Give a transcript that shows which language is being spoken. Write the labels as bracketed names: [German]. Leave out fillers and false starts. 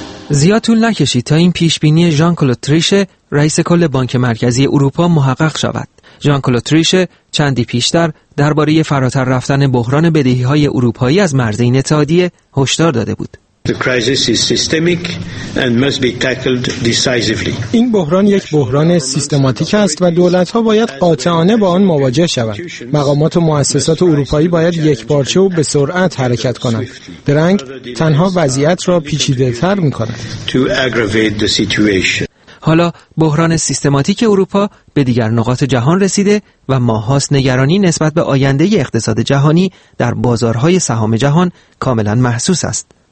[Persian] زیاد طول نکشید تا این پیشبینی ژان کلود تریشه، رئیس کل بانک مرکزی اروپا، محقق شود. ژان کلود تریشه چندی پیشتر درباره فراتر رفتن بحران بدهی‌های اروپایی از مرز این اتحادیه هشدار داده بود. [English] The crisis is systemic and must be tackled decisively. [Persian] این بحران یک بحران سیستماتیک است و دولت‌ها باید قاطعانه با آن مواجه شوند. مقامات و مؤسسات اروپایی باید یکپارچه و به سرعت حرکت کنند. درنگ تنها وضعیت را پیچیده‌تر می‌کند. [English] To aggravate the situation. [Persian] حالا بحران سیستماتیک اروپا به دیگر نقاط جهان رسیده و ماهاست نگرانی نسبت به آینده اقتصاد جهانی در بازارهای سهام جهان کاملا محسوس است.